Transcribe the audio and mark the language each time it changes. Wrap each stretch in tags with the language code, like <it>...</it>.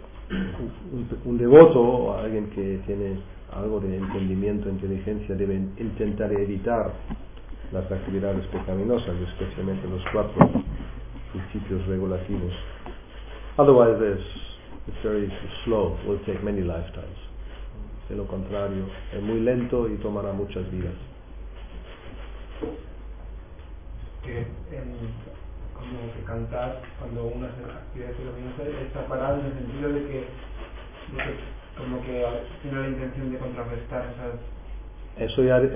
<es>Un devoto o alguien que tiene algo de entendimiento, inteligencia, debe intentar evitar las actividades pecaminosas, y especialmente los cuatro principios regulativos.</es> <en>Otherwise, it's very slow, will take many lifetimes.</en> <es>De lo contrario, es muy lento y tomará muchas vidas. Como que cantar cuando uno hace actividades pecaminosas está parado en el sentido de que como que tiene la intención de contrarrestar esas.</es>